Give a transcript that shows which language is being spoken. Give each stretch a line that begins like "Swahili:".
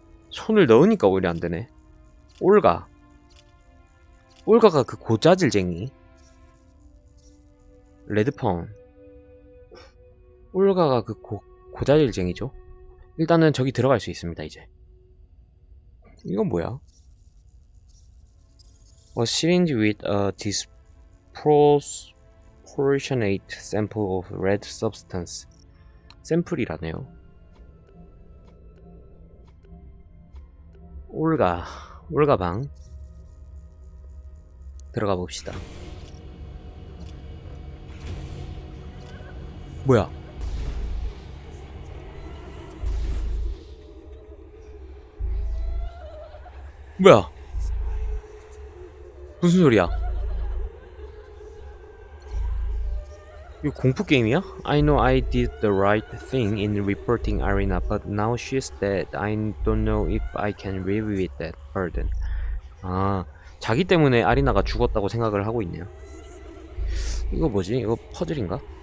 Korean: 손을 넣으니까 오히려 안 되네. 올가. 올가가 그 고자질쟁이. 레드폰. 올가가 그 고자질쟁이죠. 일단은 저기 들어갈 수 있습니다. 이제 이건 뭐야?
English: A syringe with a disproportionate sample of red substance.
Korean: 샘플이라네요. 올가, 올가 방 들어가 봅시다. 뭐야? 뭐야? 무슨 소리야? 이거 공포 게임이야?
English: I know I did the right thing in reporting Arina, but now she's dead. I don't know if I can live with that burden.
Korean: 아, 자기 때문에 아리나가 죽었다고 생각을 하고 있네요. 이거 뭐지? 이거 퍼즐인가?